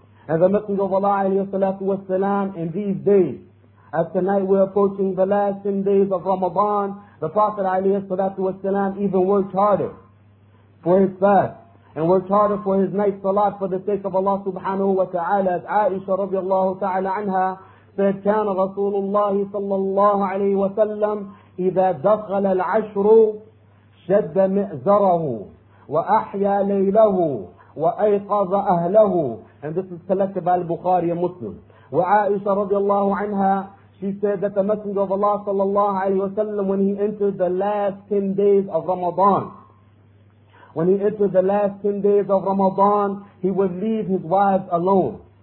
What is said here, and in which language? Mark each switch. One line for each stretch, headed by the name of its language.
English: And the Messenger of Allah alayhi salatu wa salam, in these days, as tonight we're approaching the last 10 days of Ramadan, the Prophet alayhi salatu wa salam even worked harder for his fast and worked harder for his night salat for the sake of Allah subhanahu wa ta'ala. As Aisha radiallahu ta'ala anha said,
Arabic: كَانَ رَسُولُ اللَّهِ صَلَّى اللَّهُ عَلَيْهِ وَسَلَّمْ إِذَا دَخَلَ الْعَشْرُ شَدَّ مِئْزَرَهُ وَأَحْيَى لَيْلَهُ وَأَيْقَظَ أَهْلَهُ.
English: And this is collected by Bukhari and Muslim.
Arabic: وَعَائِشَ رَضِيَ
English: anha, she said that the Messenger of Allah sallallahu alayhi wa sallam, when he entered the last 10 days of Ramadan, when he entered the last 10 days of Ramadan, he would leave his wives alone.